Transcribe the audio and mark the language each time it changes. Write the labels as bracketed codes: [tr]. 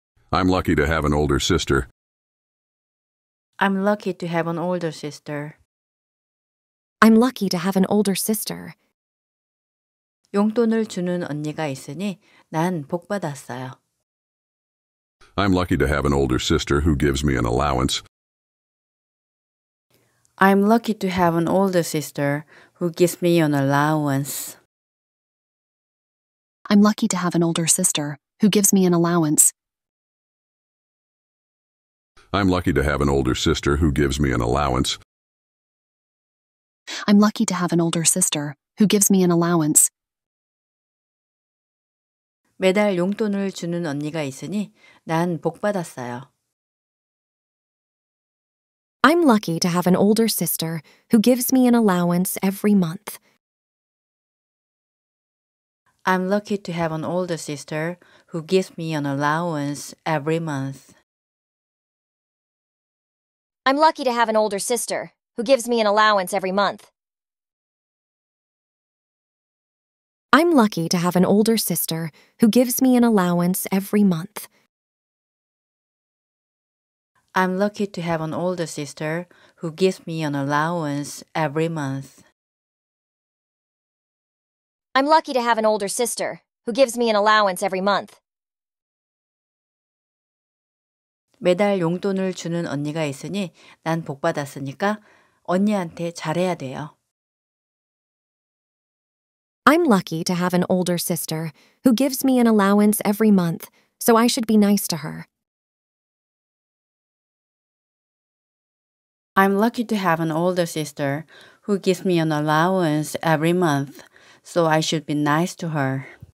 [en] I'm lucky to have an older sister. I'm lucky to have an older sister. I'm lucky to have an older sister. [ko] 용돈을 주는 언니가 있으니 난 복 받았어요. [en] I'm lucky to have an older sister who gives me an allowance. I'm lucky to have an older sister who gives me an allowance. I'm lucky to have an older sister who gives me an allowance. I'm lucky to have an older sister who gives me an allowance. I'm lucky to have an older sister who gives me an allowance. [ko] 매달 용돈을 주는 언니가 있으니 난 복 받았어요. [en] I'm lucky to have an older sister who gives me an allowance every month. I'm lucky to have an older sister who gives me an allowance every month. I'm lucky to have an older sister who gives me an allowance every month. I'm lucky to have an older sister who gives me an allowance every month. I'm lucky to have an older sister who gives me an allowance every month. I'm lucky to have an older sister who gives me an allowance every month. [ko] 매달 용돈을 주는 언니가 있으니 난 복 받았으니까 언니한테 잘해야 돼요. [en] I'm lucky to have an older sister who gives me an allowance every month, so I should be nice to her. I'm lucky to have an older sister who gives me an allowance every month, so I should be nice to her.